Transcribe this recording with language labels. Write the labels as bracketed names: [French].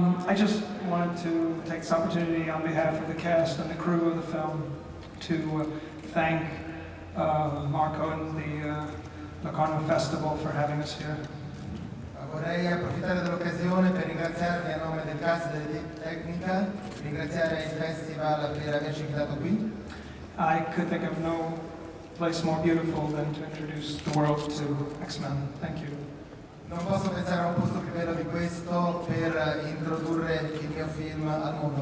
[English] I just wanted to take this opportunity on behalf of the cast and the crew of the film to thank Marco and the Locarno Festival for having us here. [Italian] Vorrei approfittare dell'occasione per ringraziarvi a nome del cast e della tecnica, ringraziare il festival per averci invitato qui. [English] I could think of no place more beautiful than to introduce the world to X-Men. Thank you. [Italian] Non posso pensare a un posto più bello di questo per introdurre il mio film al mondo.